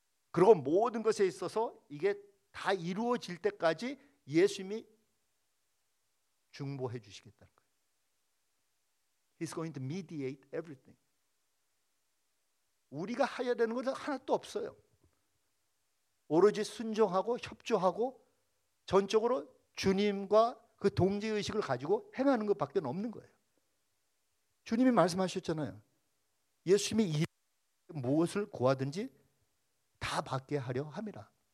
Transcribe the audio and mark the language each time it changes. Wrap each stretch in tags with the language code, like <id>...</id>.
<ko>그리고 모든 것에 있어서 이게 다 이루어질 때까지 예수님이 중보해 주시겠다는 거예요.</ko> <en>He's going to mediate everything.</en> <ko>우리가 해야 되는 것은 하나도 없어요. 오로지 순종하고 협조하고 전적으로 주님과 그 동지의식을 가지고 행하는 것밖에 없는 거예요. 주님이 말씀하셨잖아요. 예수님이 무엇을 구하든지 다 받게 하려 함이라.</ko>